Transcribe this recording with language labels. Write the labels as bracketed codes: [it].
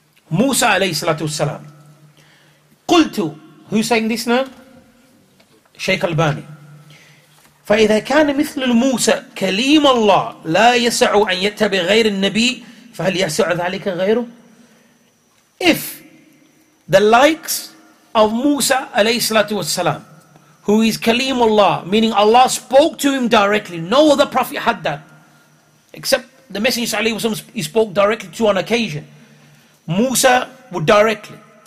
[en] Musa alayhi salatu wasalam. Qultu, who's saying this now? Shaykh Albani. [ar] فإذا كان مثل الموسى كليم الله لا يسع أن يتبع غير النبي فهل يسع ذلك غيره. [en] If the likes of Musa alayhi salatu wasalam, who is kalim Allah, meaning Allah spoke to him directly, no other prophet had that except the Messenger alayhi wasalam, he spoke directly to on occasion, Musa would directly,